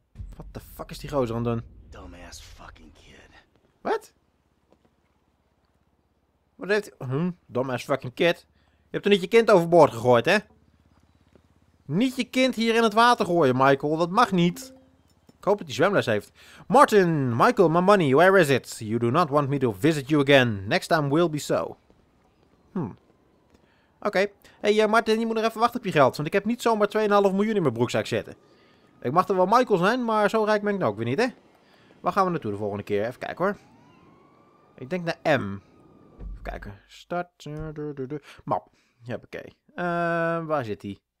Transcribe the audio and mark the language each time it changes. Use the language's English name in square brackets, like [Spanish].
[English] What the fuck is [Dutch] die gozer aan het doen? [English] Dumbass fucking kid. Wat? [Dutch] Wat heeft hij... [English] Dumbass fucking kid. [Dutch] Je hebt er niet je kind overboord gegooid, hè? Niet je kind hier in het water gooien, Michael. Dat mag niet. Ik hoop dat hij zwemles heeft. [English] Martin, Michael, my money, where is it? You do not want me to visit you again. Next time will be so. Oké. Okay. [Dutch] Hey, Martin, je moet nog even wachten op je geld. Want ik heb niet zomaar 2,5 miljoen in mijn broekzak zitten. Ik mag er wel Michael zijn, maar zo rijk ben ik nou ook weer niet, hè? Waar gaan we naartoe de volgende keer? Even kijken, hoor. Ik denk naar M. Even kijken. Start. Map. Ja, oké. Waar zit hij?